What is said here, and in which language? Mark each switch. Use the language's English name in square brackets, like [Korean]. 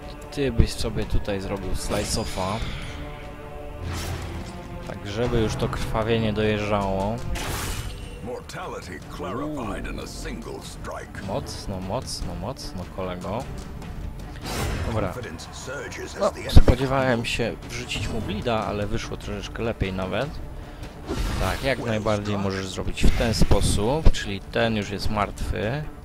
[Polish] Ty byś sobie tutaj zrobił slice offa. Tak, żeby już to krwawienie dojeżdżało. [English] Mortality clarified in a single strike. [Polish] Mocno, mocno, mocno, kolego. Dobra. No, spodziewałem się wrzucić mu blida, ale wyszło troszeczkę lepiej nawet. Tak, jak najbardziej możesz zrobić w ten sposób, czyli ten już jest martwy.